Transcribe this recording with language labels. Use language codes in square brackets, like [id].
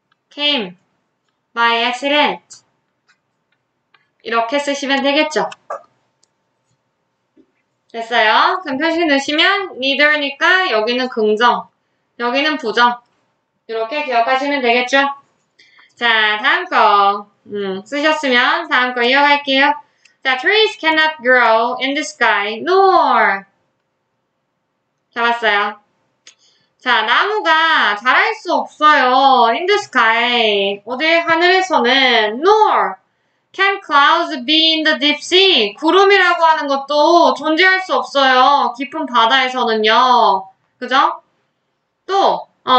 [en] came by accident. [ko] 이렇게 쓰시면 되겠죠. 됐어요. 그럼 표시 넣으시면, neither니까 여기는 긍정, 여기는 부정. 이렇게 기억하시면 되겠죠. 자, 다음 거. 쓰셨으면 다음 거 이어갈게요. [en] 자, trees cannot grow in the sky, nor. [ko] 잡았어요. 자, 나무가 자랄 수 없어요. [en] in the sky. [ko] 어디? 하늘에서는. [en] nor. can clouds be in the deep sea? [ko] 구름이라고 하는 것도 존재할 수 없어요. 깊은 바다에서는요. 그죠? 또.